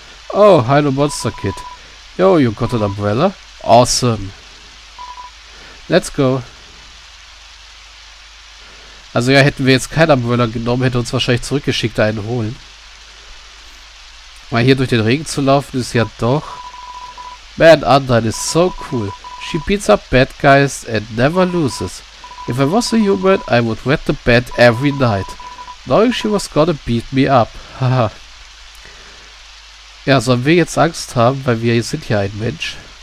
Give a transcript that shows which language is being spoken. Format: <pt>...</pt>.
<en>Oh, hallo Monster Kid. Yo, you got an umbrella? Awesome. Let's go.</en> <de>Also ja, hätten wir jetzt kein Umbrella genommen, hätte uns wahrscheinlich zurückgeschickt, einen holen. Mal hier durch den Regen zu laufen, ist ja doch...</de> <en>Man, Undyne is so cool. She beats up bad guys and never loses. If I was a human, I would wet the bed every night. Knowing she was gonna beat me up. Haha.</en> <de>Ja, sollen wir jetzt Angst haben, weil wir sind ja ein Mensch.</de>